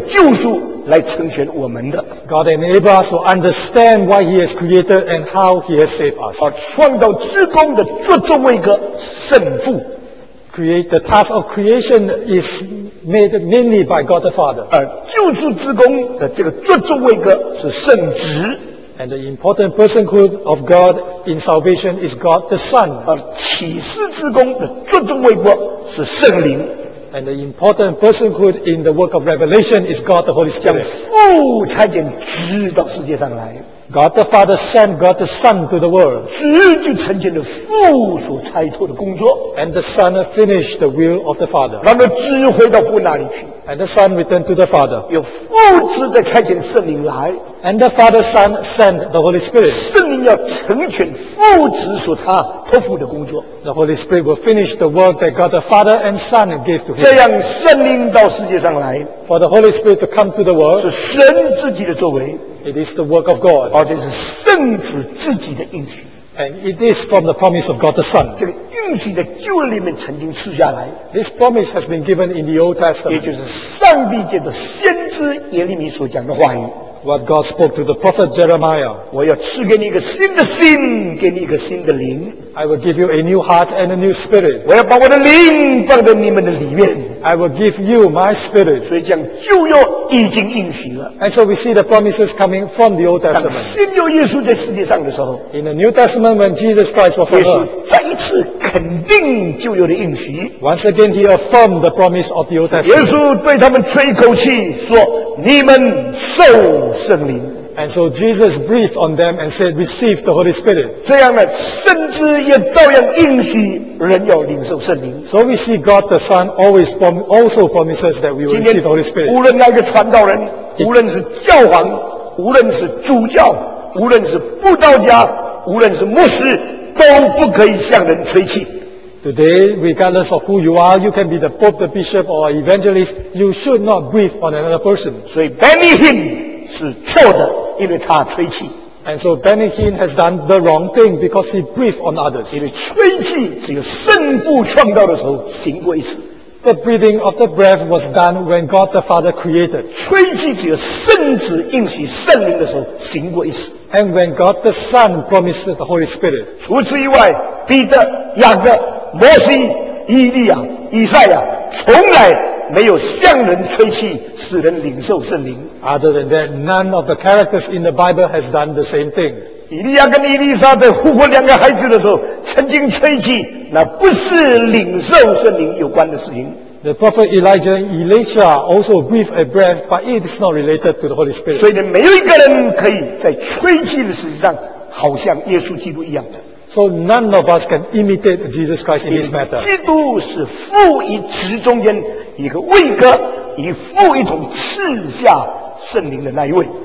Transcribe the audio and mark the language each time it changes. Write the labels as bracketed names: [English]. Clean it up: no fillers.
[Chinese] 使我们可以享受明白他是这样创造又是这样有救赎来成全我们的。 [English] God enable us to understand why he has created and how he has saved us. [Chinese] 而创造之功的最终位格圣父。 [English] The task of creation is made mainly by God the Father. [Chinese] 而救赎之功的这个最终位格是圣子。 [English] And the important personhood of God in salvation is God the Son. [Chinese] 而启示之功的最终位格是圣灵。 [English] And the important personhood in the work of revelation is God the Holy Spirit. [Chinese] 将父差遣子到世界上来。 [English] God the Father sent God the Son to the world. [Chinese] 子就成全了父所差托的工作。 [English] And the Son finished the will of the Father. [Chinese] 然后子回到父那里去。 [English] And the Son returned to the Father. [Chinese] 有父子在差遣圣灵来。 [English] And the Father Son sent the Holy Spirit. [Chinese] 圣灵要成全父子所托付的工作。 [English] The Holy Spirit will finish the work that God the Father and Son gave to him. [Chinese] 这样圣灵到世界上来。 [English] For the Holy Spirit to come to the world. [Chinese] 是神自己的作为。 [English] It is the work of God. [Chinese] 而且是圣子自己的应许。 [English] And it is from the promise of God the Son. [Chinese] 这个应许在旧约里面曾经赐下来。 [English] This promise has been given in the Old Testament. [Chinese] 也就是上帝借着先知耶利米所讲的话语。 [English] What God spoke to the prophet Jeremiah. [Chinese] 我要赐给你一个新的心，给你一个新的灵。 [English] I will give you a new heart and a new spirit. [Chinese] 我要把我的灵放在你们的里面。 [English] I will give you my spirit. [Chinese] 所以讲旧约已经应许了。 [English] And so we see the promises coming from the Old Testament. [Chinese] 当新约耶稣在世界上的时候。 [English] In the New Testament when Jesus Christ was on earth. [Chinese] 耶稣再一次。肯定旧约的应许。 [English] Once again, he affirmed the promise of the Old Testament. [Chinese] 耶稣对他们吹一口气，说：“你们受圣灵。” [English] And so Jesus breathed on them and said, "Receive the Holy Spirit." [Chinese] 这样呢，甚至也照样应许人要领受圣灵。 [English] So we see God the Son always also promises that we will receive the Holy Spirit. [Chinese] 无论那个传道人，无论是教皇，无论是主教，无论是布道家，无论是牧师，都不可以向人吹气。 [English] Today, regardless of who you are, you can be the Pope, the Bishop, or Evangelist, you should not breathe on another person. [Chinese] 所以 Benny Hinn 是错的，因为他吹气。 [English] And so Benny Hinn has done the wrong thing because he breathed on others. [Chinese] 因为吹气只有圣父创造的时候行过一次。 [English] The breathing of the breath was done when God the Father created. [Chinese] 吹气只有圣子应许圣灵的时候行过一次。 [English] And when God the Son promised the Holy Spirit. [Chinese] 除此以外，彼得、雅各、摩西、以利亚、以赛亚从来没有向人吹气，使人领受圣灵。 [English] Other than that, none of the characters in the Bible has done the same thing. [Chinese] 以利亚跟以利沙在呼唤两个孩子的时候，曾经吹气，那不是领受圣灵有关的事情。 [English] The prophet Elijah and Elisha also breathed a breath, but it is not related to the Holy Spirit. [Chinese] 所以呢，没有一个人可以在吹气的事上，好像耶稣基督一样的。 [English] So none of us can imitate Jesus Christ in this matter. [Chinese] 基督是父与子中间一个位格，以父一同赐下圣灵的那一位。